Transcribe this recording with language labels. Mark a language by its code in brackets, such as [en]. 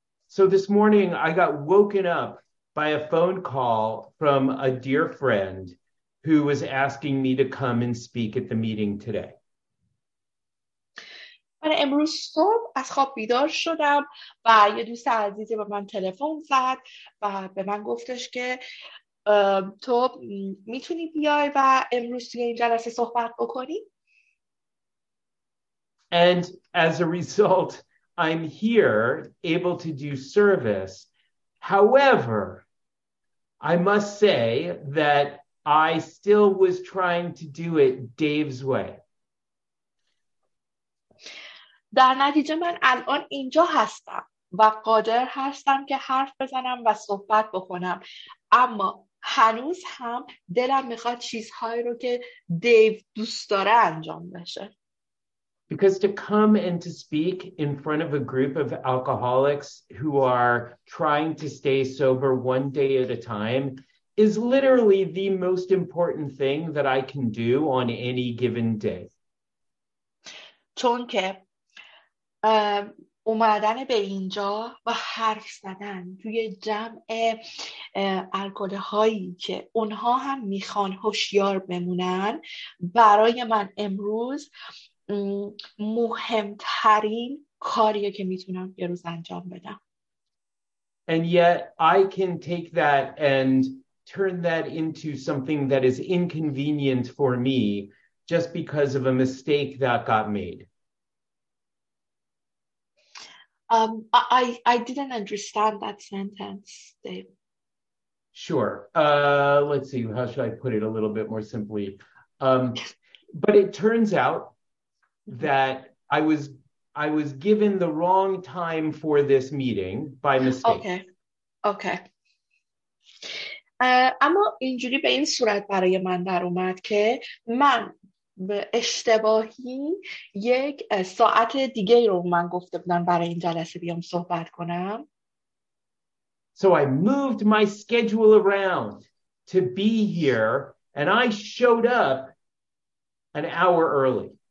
[en] So this morning I got woken up by a phone call from a dear friend who was asking me to come and speak at the meeting today. [fa] من امروز صبح از خواب بیدار شدم و یه دوست عزیزی به من تلفن زد و به من گفتش که تو میتونی بیای و امروز توی این جلسه صحبت بکنی؟ [en] And as a result, I'm here able to do service. However, I must say that I still was trying to do it Dave's way. [fa] در نتیجه من الان اینجا هستم و قادر هستم که حرف بزنم و صحبت بکنم، اما هنوز هم دلم میخواد چیزهایی رو که دیو دوست داره انجام بشه. [en] Because to come and to speak in front of a group of alcoholics who are trying to stay sober one day at a time is literally the most important thing that I can do on any given day. [fa] چون که اومدن به اینجا و حرف زدن توی جمع الکل‌هایی که اونها هم میخوان هوشیار بمونن برای من امروز مهمترین کاریه که میتونم یه روز انجام بدم. [en] And yet I can take that and turn that into something that is inconvenient for me just because of a mistake that got made. I didn't understand that sentence, Dave. Sure. Let's see. How should I put it a little bit more simply? But it turns out that I was given the wrong time for this meeting by mistake. Okay. [fa] اما اینجوری به این صورت برای من در اومد که من به اشتباهی یک ساعت دیگه رو من گفته بودن برای این جلسه بیام صحبت کنم. [en] So I moved my schedule around to be here and I showed up an hour early.